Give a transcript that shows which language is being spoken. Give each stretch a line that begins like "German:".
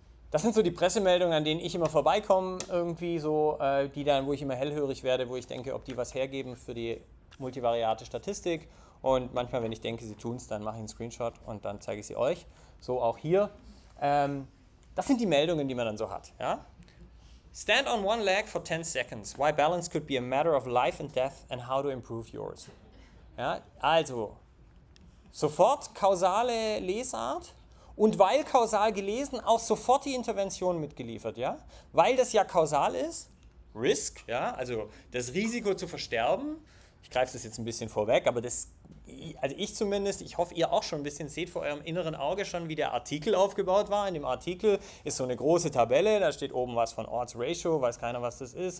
German: Das sind so die Pressemeldungen, an denen ich immer vorbeikomme, irgendwie so, die dann, wo ich immer hellhörig werde, wo ich denke, ob die was hergeben für die multivariate Statistik. Und manchmal, wenn ich denke, sie tun es, dann mache ich einen Screenshot und dann zeige ich sie euch. So auch hier. Das sind die Meldungen, die man dann so hat. Ja?
English: Stand on one leg for 10 seconds. Why balance could be a matter of life and death and how to improve yours.
German: Ja? Also, sofort kausale Lesart. Und weil kausal gelesen, auch sofort die Intervention mitgeliefert, ja? Weil das ja kausal ist, Risk, ja, also das Risiko zu versterben. Ich greife das jetzt ein bisschen vorweg, aber das, also ich zumindest, ich hoffe, ihr auch schon ein bisschen seht vor eurem inneren Auge schon, wie der Artikel aufgebaut war. In dem Artikel ist so eine große Tabelle, da steht oben was von Odds Ratio, weiß keiner, was das ist.